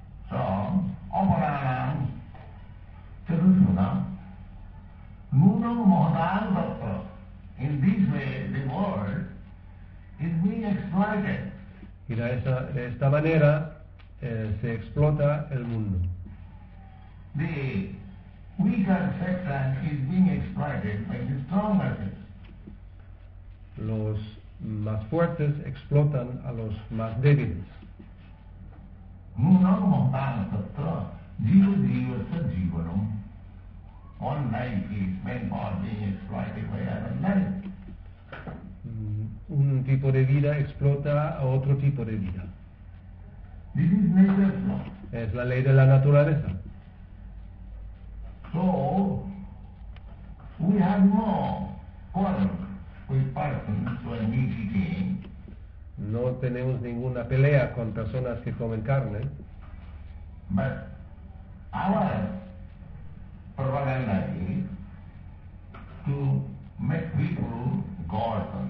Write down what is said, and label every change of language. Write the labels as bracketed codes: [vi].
[en] So, [sa] Aparanam, Chatushpadam, Nunam Mahatam Tattva, [en] in this way the world is being exploited. [es] Y de esta manera se explota el mundo. [en] The weaker section is being exploited by the stronger section. [es] Los más fuertes explotan a los más débiles. [sa] Nunam Mahatam Tattva, Jiva Jivasa Jivanam. [en] One life is meant for being exploited by another life. [es] Un tipo de vida explota a otro tipo de vida. [en] This is nature's law. [es] Es la ley de la naturaleza. [en] So, we have no quarrel with persons who are meat eating. [es] No tenemos ninguna pelea con personas que comen carne. [en] But our propaganda is to make people gods.